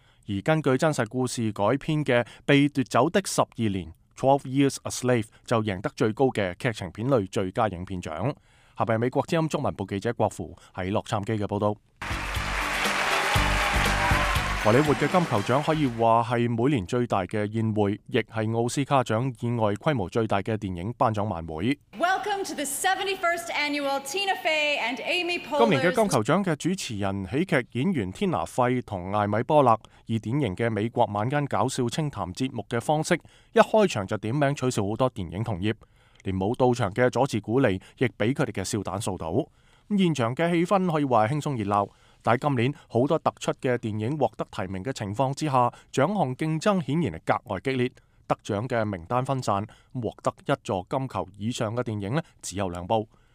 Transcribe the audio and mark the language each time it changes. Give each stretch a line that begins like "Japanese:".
Chinese: 而根据真实故事改编的《被夺走的十二年》12 Years a Slave 就赢得最高的剧情片类最佳影片奖。下面是美国之音中文部记者郭富在洛杉矶的报道。荷里活的金球奖可以说是每年最大的宴会，亦是奥斯卡奖以外规模最大的电影颁奖晚会。
English: Welcome to the 71st annual Tina Fey and Amy Poehler's
Chinese: 今年的金球奖的主持人、喜剧演员天拿费和艾米波勒，以典型的美国晚间搞笑清谈节目的方式，一开场就点名取笑很多电影同业，连没到场的佐治古利亦被他们的笑弹扫倒。现场的气氛可以说是轻松热闹，但今年很多突出的电影获得提名的情况之下，奖项竞争显然是格外激烈，得奖的名单分散，获得一座金球以上的电影只有两部。